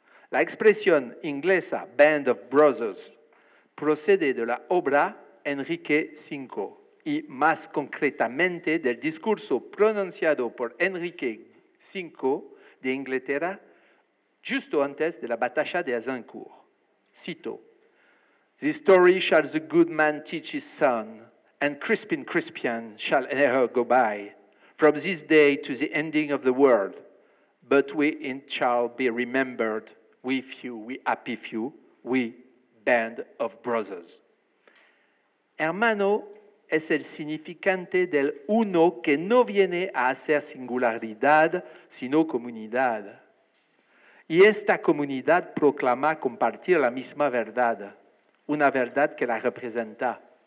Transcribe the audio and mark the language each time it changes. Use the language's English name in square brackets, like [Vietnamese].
[Spanish] La expresión inglesa Band of Brothers procede de la obra Enrique V y más concretamente del discurso pronunciado por Enrique V de Inglaterra justo antes de la batalla de Azincourt. Cito: [English] "This story shall the good man teach his son, and Crispin Crispian shall ne'er go by, from this day to the ending of the world, but we in shall be remembered, we few, we happy few, we band of brothers." [Spanish] Hermano es el significante del uno que no viene a hacer singularidad, sino comunidad. Y esta comunidad proclama compartir la misma verdad, una verdad que la representa.